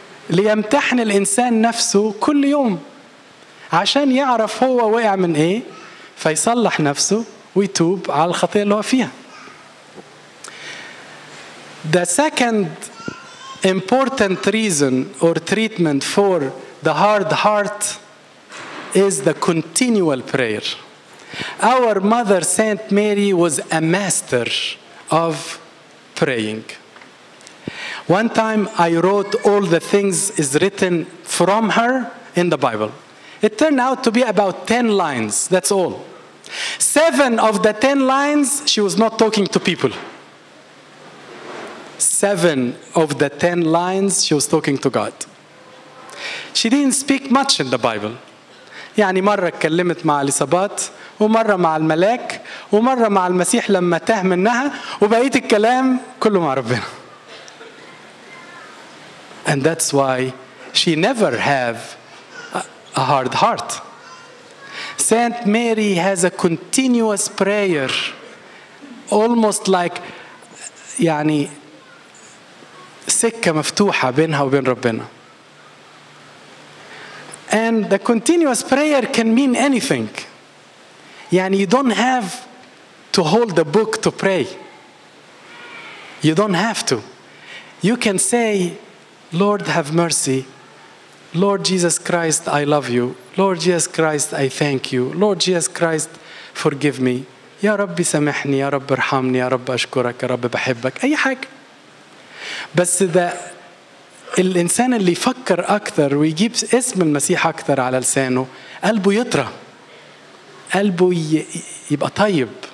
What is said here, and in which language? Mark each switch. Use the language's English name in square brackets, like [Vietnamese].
[Arabic] ليمتحن الإنسان نفسه كل يوم عشان يعرف هو وقع من إيه فيصلح نفسه ويتوب على الخطيئة اللي هو فيها. [English] The second important reason or treatment for the hard heart is the continual prayer. Our mother Saint Mary was a master of praying. One time I wrote all the things is written from her in the Bible. It turned out to be about 10 lines, that's all. 7 of the 10 lines, she was not talking to people. 7 of the 10 lines, she was talking to God. She didn't speak much in the Bible. [Arabic] يعني مرة اتكلمت مع اليصابات ومرة مع الملاك ومرة مع المسيح لما تاه منها وبقيت الكلام كله مع ربنا. [English] And that's why she never have a hard heart. Saint Mary has a continuous prayer, almost like [Arabic] يعني سكة مفتوحة بينها وبين ربنا. [English] And the continuous prayer can mean anything. يعني you don't have to hold the book to pray. You don't have to. You can say, Lord, have mercy. Lord Jesus Christ, I love you. Lord Jesus Christ, I thank you. Lord Jesus Christ, forgive me. [Arabic] يا رب سامحني, يا رب ارحمني, يا رب أشكرك, يا رب بحبك. أي حاجة. بس ده الإنسان اللي يفكر أكثر ويجيب اسم المسيح أكثر على لسانه, قلبه يطرى. قلبه يبقى طيب.